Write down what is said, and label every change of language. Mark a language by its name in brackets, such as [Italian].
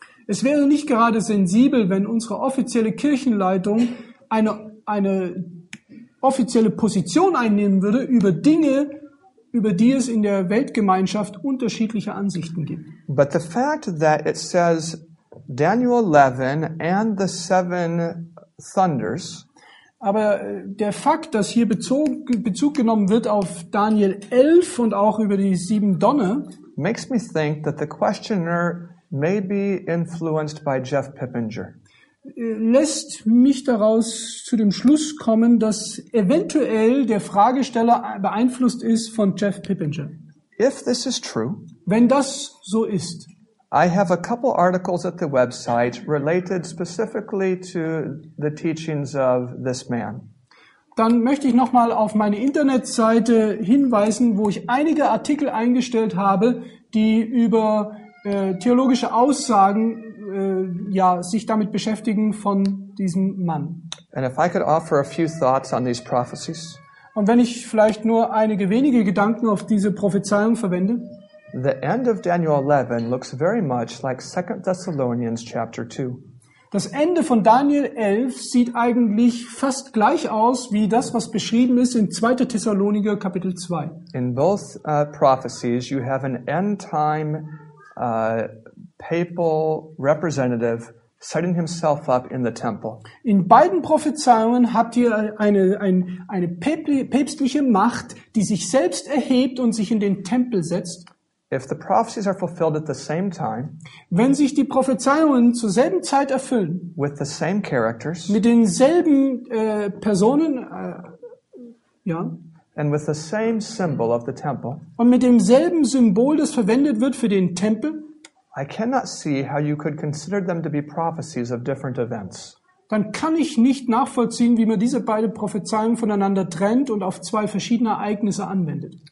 [German] Es wäre nicht gerade sensibel, wenn unsere offizielle Kirchenleitung eine offizielle Position einnehmen würde über Dinge, über die es in der Weltgemeinschaft unterschiedliche Ansichten gibt. [English] But the fact that it says Daniel 11 and the seven thunders. [German] Aber der Fakt, dass hier Bezug genommen wird auf Daniel 11 und auch über die sieben Donner, [English] makes me think that the questioner may be influenced by Jeff Pippinger. [German] Lässt mich daraus zu dem Schluss kommen, dass eventuell der Fragesteller beeinflusst ist von Jeff Pippinger. [English] If this is true, [German] wenn das so ist, [English] I have a couple articles at the website related specifically to the teachings of this man. [German] Dann möchte ich noch mal auf meine Internetseite hinweisen, wo ich einige Artikel eingestellt habe, die über theologische Aussagen sich damit beschäftigen von diesem Mann. [English] And if I could offer a few thoughts on these prophecies. [German] Und wenn ich vielleicht nur einige wenige Gedanken auf diese Prophezeiung verwende. [English] The end of Daniel 11 looks very much like 2 Thessalonians chapter 2. [German] Das Ende von Daniel 11 sieht eigentlich fast gleich aus wie das, was beschrieben ist in 2. Thessaloniker Kapitel 2. [English] In both prophecies you have an end time papal representative setting himself up in the temple. [German] In beiden Prophezeiungen habt ihr eine päpstliche Macht, die sich selbst erhebt und sich in den Tempel setzt. [English] If the prophecies are fulfilled at the same time, [German] wenn sich die Prophezeiungen zur selben Zeit erfüllen, [English] with the same characters, [German] mit denselben Personen, [English] and with the same symbol of the temple, [German] und mit demselben Symbol, das verwendet wird für den Tempel, [English] I cannot see how you could consider them to be prophecies of different events. [German] Dann kann ich nicht nachvollziehen, wie man diese beiden Prophezeiungen voneinander trennt und auf zwei verschiedene Ereignisse anwendet.